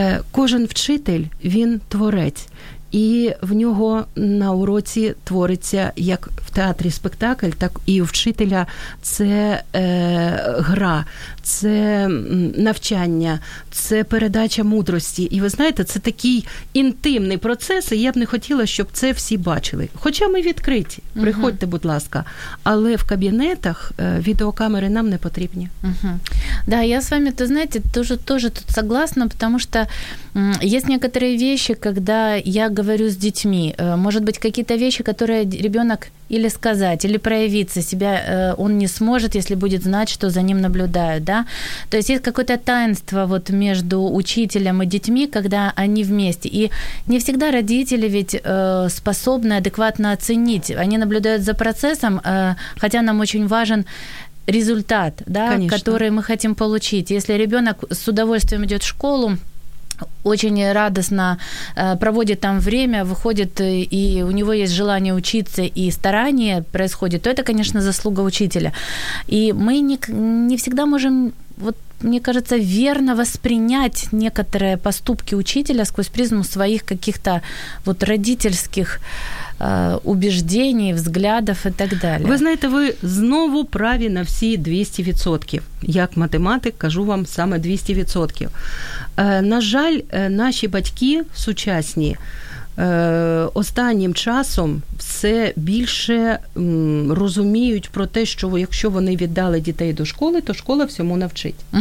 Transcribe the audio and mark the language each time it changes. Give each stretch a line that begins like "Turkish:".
Ukrainian: Кожен вчитель, він творець. І в нього на уроці твориться, як в театрі спектакль, так і у вчителя це гра, це навчання, це передача мудрості. І ви знаєте, це такий інтимний процес, і я б не хотіла, щоб це всі бачили. Хоча ми відкриті, приходьте, будь ласка. Але в кабінетах відеокамери нам не потрібні.
Russian: Да,
Ukrainian: я з вами, то знаєте, теж тут
Russian: согласна,
Ukrainian: тому що є
Russian: некоторі речі, коли я говорю с детьми, может быть, какие-то вещи, которые ребенок или сказать, или проявиться себя он не сможет, если будет знать, что за ним наблюдают, да? То есть есть какое-то таинство вот между учителем и детьми, когда они вместе. И не всегда родители ведь способны адекватно оценить. Они наблюдают за процессом, хотя нам очень важен результат, да, который мы хотим получить. Если ребенок с удовольствием идет в школу, очень радостно проводит там время, выходит, и у него есть желание учиться, и старание происходит, то это, конечно, заслуга учителя. И мы не всегда можем, вот, мне кажется, верно воспринять некоторые поступки учителя сквозь призму своих каких-то вот родительских убеждений, взглядов и так далее. Вы знаете,
Ukrainian: вы знову праві на всі 200%. Як математик, кажу вам саме 200%. На жаль, наші батьки сучасні останнім часом все більше розуміють про те, що якщо вони віддали дітей до школи, то школа всьому навчить.